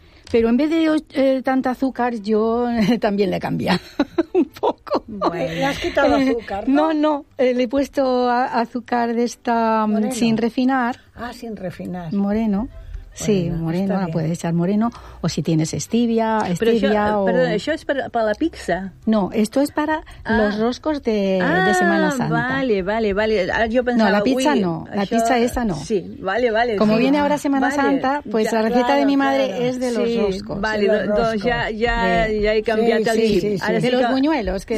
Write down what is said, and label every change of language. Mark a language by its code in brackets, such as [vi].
[es] Pero en vez de tanta azúcar, yo también le he cambiado un poco. Bueno, le has quitado azúcar, ¿no? No, le he puesto azúcar de esta moreno, sin refinar. Ah, sin refinar. Moreno. Sí, moreno, la puedes echar moreno, o si tienes stevia, [ca] Perdona, ¿això és per la pizza? [es] No, esto es para los roscos de Semana Santa. [ca] Ah, vale. Ara jo pensava, [es] no, la pizza no, la pizza esa no. Sí, vale. Como sí, viene ahora Semana Santa, pues ja, la receta claro, de mi madre claro. Es de los sí, roscos. [ca] Vale, doncs ja he canviat el xip. [es] De los buñuelos. Que